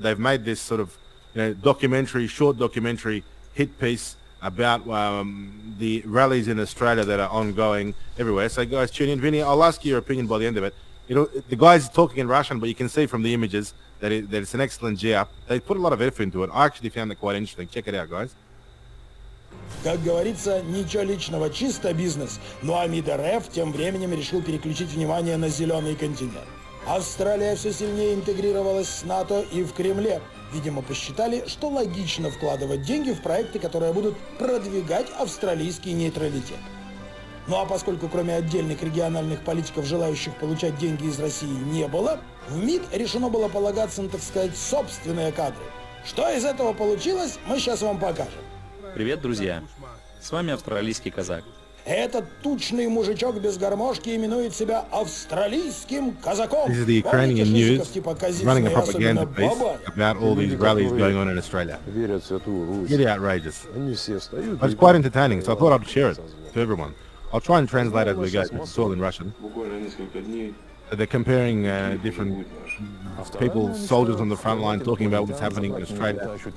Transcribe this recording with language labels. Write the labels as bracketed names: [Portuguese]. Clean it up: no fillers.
[English] They've made this sort of, you know, documentary, short documentary hit piece about the rallies in Australia that are ongoing everywhere. So guys, tune in. Vinny, I'll ask you your opinion by the end of it. You know, the guy's talking in Russian, but you can see from the images that it's an excellent GR. They put a lot of effort into it. I actually found it quite interesting. Check it out, guys. [Russian] Как говорится, ничего личного, чисто бизнес. Ну а МИД РФ тем временем решил переключить внимание на зеленый континент. Австралия все сильнее интегрировалась с НАТО и в Кремле. Видимо, посчитали, что логично вкладывать деньги в проекты, которые будут продвигать австралийский нейтралитет. Ну а поскольку кроме отдельных региональных политиков, желающих получать деньги из России, не было, в МИД решено было полагаться на, так сказать, собственные кадры. Что из этого получилось, мы сейчас вам покажем. Привет, друзья! С вами австралийский казак. Этот тучный мужичок без гармошки именует себя австралийским казаком. [English] This is the Ukrainian news running a propaganda piece about all these rallies going on in Australia. Really outrageous. But it's quite entertaining, so I thought I'd share it to everyone. I'll try and translate it as we go. It's all in Russian. They're comparing different people, soldiers on the front line, talking about what's happening in Australia.